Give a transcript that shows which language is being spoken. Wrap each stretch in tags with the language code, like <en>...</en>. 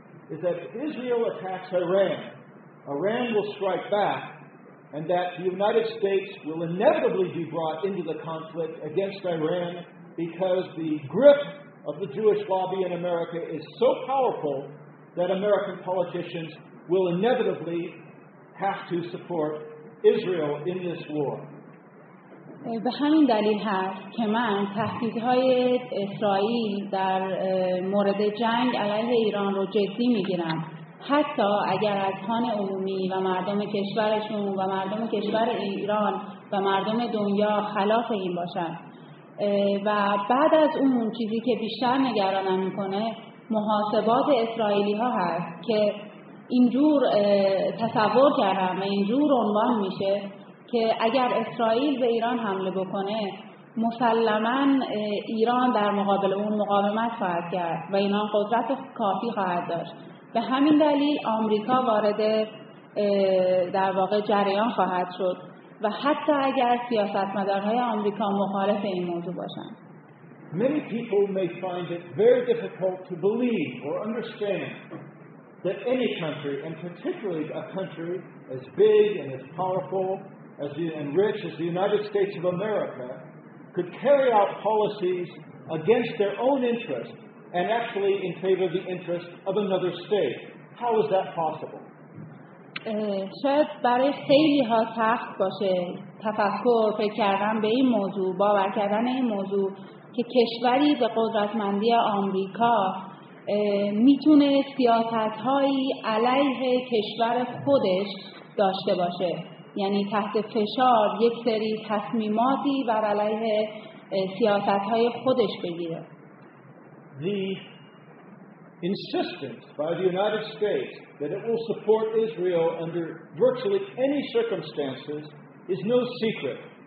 <en>is that if Israel attacks Iran, Iran will strike back, and that the United States will inevitably be brought into the conflict against Iran because the grip of the Jewish lobby in America is so powerful that American politicians will inevitably have to support Israel in this war.</en> <fa>به همین دلیل هست که من تهدیدهای اسرائیل در مورد جنگ علیه ایران رو جدی میگیرم، حتی اگر از خان عمومی و مردم کشورشون و مردم کشور ایران و مردم دنیا خلاف این باشن. و بعد از اون چیزی که بیشتر نگرانم میکنه محاسبات اسرائیلی ها هست که اینجور تصور کردم و اینجور عنوان میشه که اگر اسرائیل به ایران حمله بکنه مسلماً ایران در مقابل اون مقاومت خواهد کرد و ایران قدرت کافی خواهد داشت. به همین دلیل آمریکا وارد در واقع جریان خواهد شد و حتی اگر سیاستمدارهای آمریکا مخالف این موضوع باشند.</fa> <en>Many people may find it very difficult to believe or understand that any country, and particularly a country as big and as powerful and rich as the United States of America, could carry out policies against their own interest and actually in favor of the interest of another state. How is that possible?</en> <fa>شاید برای خیلی ها سخت باشه تفکر، فکر کردن به این موضوع، باور کردن این موضوع که کشوری به قدرتمندی آمریکا میتونه سیاست‌هایی علیه کشور خودش داشته باشه، یعنی تحت فشار یک سری تصمیماتی بر علیه سیاست‌های خودش بگیره.</fa> <en>The insistence by the United States that it will support Israel under virtually any circumstances is no secret.</en>